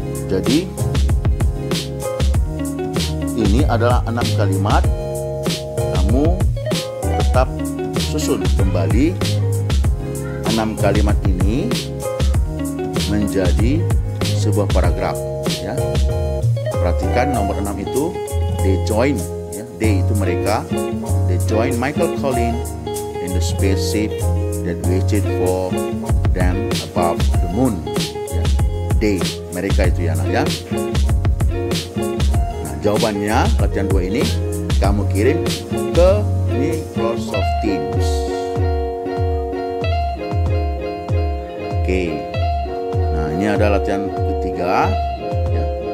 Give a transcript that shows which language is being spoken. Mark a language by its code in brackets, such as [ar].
[id] Jadi ini adalah 6 kalimat, kamu tetap susun kembali 6 kalimat ini menjadi sebuah paragraf ya. Perhatikan nomor 6 itu, [en] they join [id] ya. [en] They [id] itu mereka, [en] they join Michael Collins in the spaceship that waited for them above the moon ya. [id] They mereka itu ya nak ya. Nah, jawabannya latihan 2 ini kamu kirim ke Microsoft Teams. Oke. Nah, ini ada latihan ketiga ya.